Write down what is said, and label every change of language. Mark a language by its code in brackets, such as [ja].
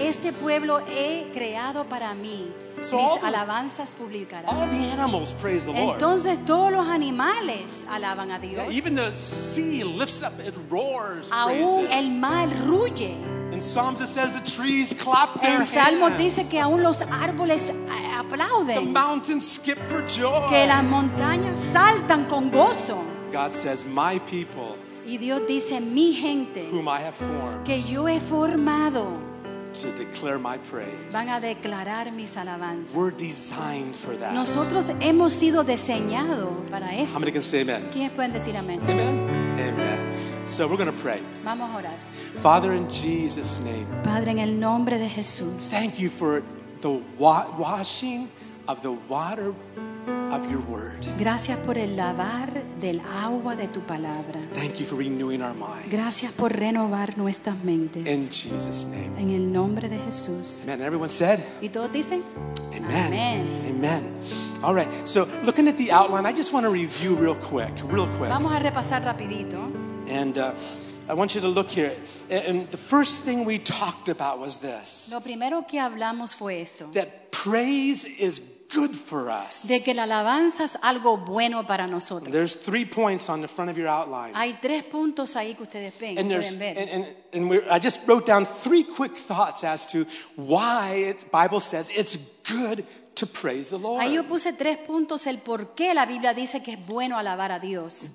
[es] Este pueblo he creado para mí, [en] so [es] mis alabanzas publicarán. [en] All the animals praise the Lord. [es] Entonces todos los animales alaban a Dios. [en] Yeah, even the sea lifts up, it roars. [es] Aún [en] praises. [es] El mar ruge. [en] In Psalms it says the trees clap their hands. [es] En Salmos dice que aún los árboles aplauden. [en] The mountains skip for joy. [es] Que las montañas saltan con gozo. [en] God says, "My people." [es] Y Dios dice, mi gente. [en] Whom I have formed. [es] Que yo he formado. [en] To declare my praise. [es] Van a declarar mis alabanzas. [en] We're designed for that. [es] Nosotros hemos sido diseñados para esto. [en] How many can say amen? [es] ¿Quiénes pueden decir amén? [en] Amen. Amen. So we're going to pray. [es] Vamos a orar. [en] Father, in Jesus' name. [es] Padre, en el nombre de Jesús. [en] Thank you for the washing of the water of your word. [es] Gracias por el lavar del agua de tu palabra. [en] Thank you for renewing our minds. [es] Gracias por renovar nuestras mentes. [en] In Jesus' name. [es] En el nombre de Jesús. [en] Amen. Everyone said. [es] ¿Y todos dicen? [en] Amen. [es] Amen. [en] Amen. All right. So, looking at the outline, I just want to review real quick, real quick. [es] Vamos a repasar rapidito. [en] And I want you to look here. And the first thing we talked about was this. [es] Lo primero que hablamos fue esto. [en] That praise is good for us. [es] De que la alabanza es algo bueno para nosotros. [en] There's 3 points on the front of your outline. [es] Hay tres puntos ahí que ustedes ven, [en] and [es] pueden ver. [en] I just wrote down 3 quick thoughts as to why the Bible says it's good to praise the Lord. [es] Ahí yo puse 3 puntos el por qué la Biblia dice que es bueno alabar a Dios.